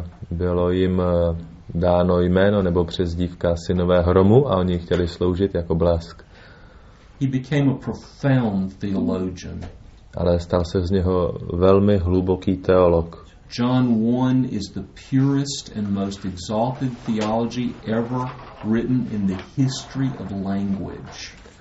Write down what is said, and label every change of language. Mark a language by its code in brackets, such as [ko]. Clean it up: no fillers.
[cs] Bylo jim dáno jméno nebo přezdívka synové hromu a oni chtěli sloužit jako blesk. [en] He became a profound theologian. [cs] Ale stal se z něho velmi hluboký teolog. [en] John 1 is the purest and most exalted theology ever written in the history of language.